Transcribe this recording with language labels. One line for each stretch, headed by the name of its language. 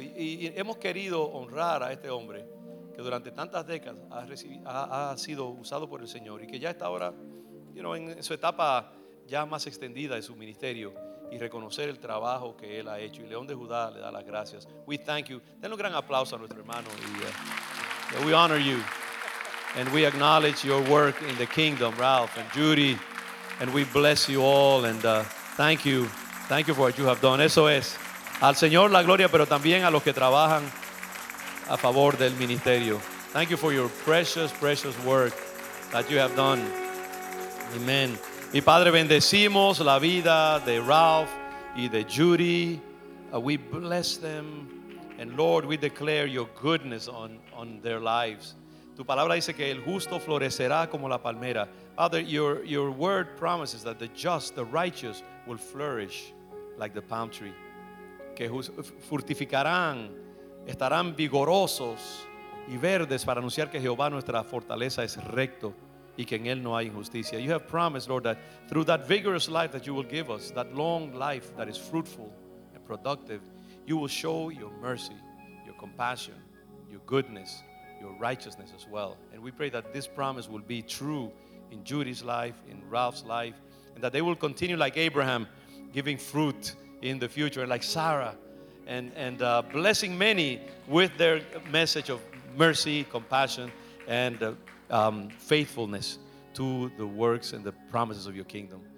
Spanish: Y hemos querido honrar a este hombre que durante tantas décadas ha sido usado por el Señor y que ya está ahora,
English: you know,
Spanish: en su etapa ya más extendida de su ministerio, y reconocer el trabajo que él ha hecho. Y León de Judá le da las gracias.
English: We thank you.
Spanish: Denle un gran aplauso a nuestro hermano.
English: We honor you. And we acknowledge your work in the kingdom, Ralph and Judy. And we bless you all. And thank you. Thank you for what you have done.
Spanish: Eso es. Al Señor la gloria, pero también a los que trabajan a favor del ministerio.
English: Thank you for your precious, precious work that you have done. Amen.
Spanish: Y Padre, bendecimos la vida de Ralph y de Judy.
English: We bless them. And Lord, we declare your goodness on their lives.
Spanish: Tu palabra dice que el justo florecerá como la palmera.
English: Father, your word promises that the just, the righteous, will flourish like the palm tree.
Spanish: Que fructificarán, estarán vigorosos y verdes para anunciar que Jehová nuestra fortaleza es recto y que en él no hay injusticia.
English: You have promised, Lord, that through that vigorous life that you will give us, that long life that is fruitful and productive, you will show your mercy, your compassion, your goodness, your righteousness as well. And we pray that this promise will be true in Judy's life, in Ralph's life, and that they will continue like Abraham, giving fruit in the future, like Sarah, and blessing many with their message of mercy, compassion, and faithfulness to the works and the promises of your kingdom.